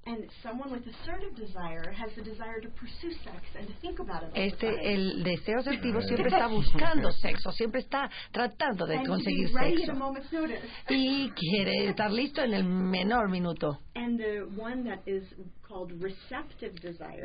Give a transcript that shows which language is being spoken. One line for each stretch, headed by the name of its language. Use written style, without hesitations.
English: And someone with assertive desire has the desire to pursue sex and to think about it.
Spanish: El deseo asertivo siempre está buscando sexo, siempre está tratando de
English: and
Spanish: conseguir
English: to be ready
Spanish: sexo.
English: At a moment's notice.
Spanish: Y quiere estar listo en el menor minuto.
English: And the one that is called receptive desire.